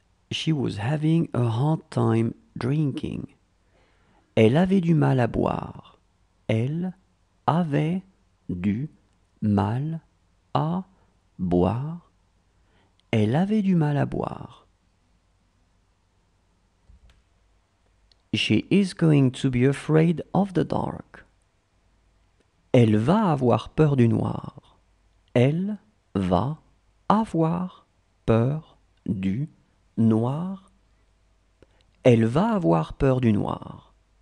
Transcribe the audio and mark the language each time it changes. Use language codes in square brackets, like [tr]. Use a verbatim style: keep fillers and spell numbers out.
[en] She was having a hard time drinking. [fr] Elle avait du mal à boire. Elle avait du mal à boire. Elle avait du mal à boire. [en] She is going to be afraid of the dark. [fr] Elle va avoir peur du noir. Elle va avoir peur du noir. Elle va avoir peur du noir.